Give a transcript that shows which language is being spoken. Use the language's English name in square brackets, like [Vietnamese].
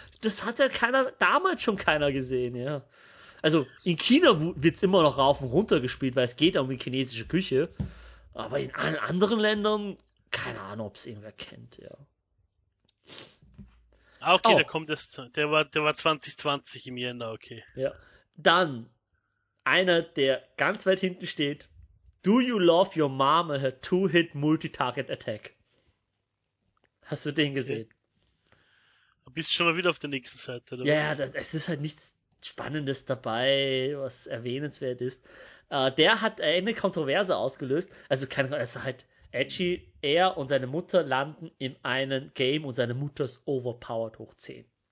[German] Das hat ja keiner, damals schon keiner gesehen, ja. Also in China wird es immer noch rauf und runter gespielt, weil es geht um die chinesische Küche. Aber in allen anderen Ländern, keine Ahnung, ob es irgendwer kennt, ja. Okay, oh. Da kommt das. Der war 2020 im Jänner, okay. Ja. Dann einer, der ganz weit hinten steht. [English] Do you love your mom and her two-hit multi-target attack? [German] Hast du den gesehen? Okay. Bist du schon mal wieder auf der nächsten Seite, oder? Ja, es ist halt nichts Spannendes dabei, was erwähnenswert ist. Der hat eine Kontroverse ausgelöst. Also keine Ahnung, es war halt edgy. Er und seine Mutter landen in einem Game und seine Mutter ist overpowered hoch 10.